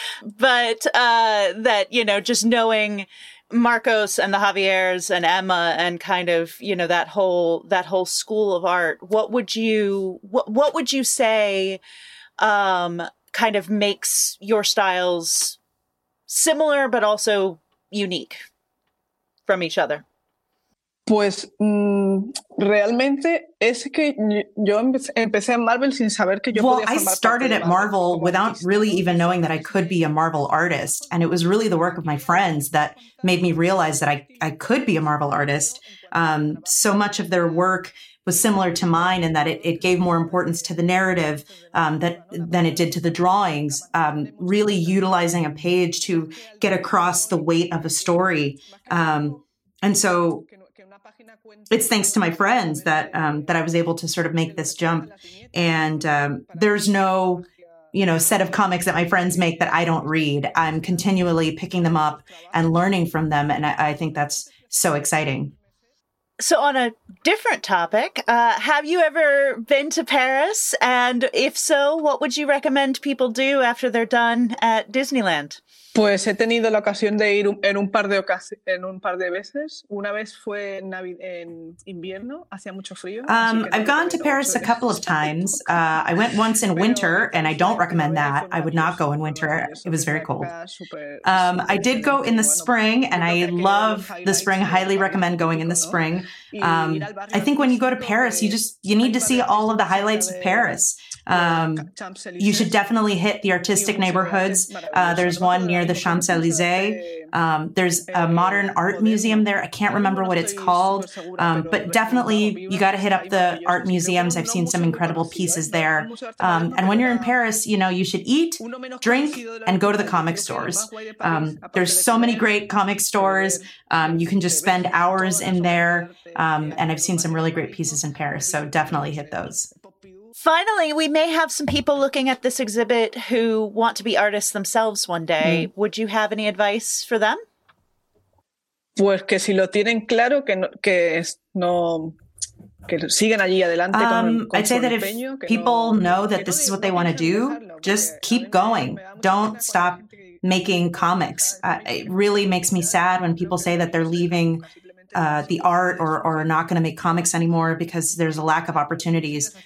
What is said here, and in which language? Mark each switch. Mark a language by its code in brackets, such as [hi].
[en] But that, you know, just knowing Marcos and the Javiers and Emma and kind of, you know, that whole school of art, what would you say kind of makes your styles similar but also unique from each other? [es] Pues realmente es que yo empecé en Marvel sin saber que yo podía formar. [en] Well, I started at Marvel without really even knowing that I could be a Marvel artist, and it was really the work of my friends that made me realize that I could be a Marvel artist. So much of their work was similar to mine in that it gave more importance to the narrative than it did to the drawings, really utilizing a page to get across the weight of a story. And so it's thanks to my friends that that I was able to sort of make this jump. And there's no, you know, set of comics that my friends make that I don't read. I'm continually picking them up and learning from them. And I think that's so exciting. So on a different topic, have you ever been to Paris? And if so, what would you recommend people do after they're done at Disneyland? [es] Pues he tenido la ocasión de ir en un par de veces. Una vez fue en invierno, hacía mucho frío. [en] I've gone to Paris a couple of times. I went once in winter, and I don't recommend that. I would not go in winter. It was very cold. I did go in the spring, and I love the spring. Highly recommend going in the spring. I think when you go to Paris, you need to see all of the highlights of Paris. You should definitely hit the artistic neighborhoods. There's one near the Champs-Élysées. There's a modern art museum there. I can't remember what it's called, but definitely you got to hit up the art museums. I've seen some incredible pieces there. And when you're in Paris, you know, you should eat, drink, and go to the comic stores. There's so many great comic stores. You can just spend hours in there. And I've seen some really great pieces in Paris, so definitely hit those. Finally, we may have some people looking at this exhibit who want to be artists themselves one day. Mm. Would you have any advice for them? [es] Pues que si lo tienen claro, que sigan allí adelante con su empeño. [en] I'd say that if people know that this is what they want to do, just keep going. Don't stop making comics. It really makes me sad when people say that they're leaving the art or not going to make comics anymore because there's a lack of opportunities.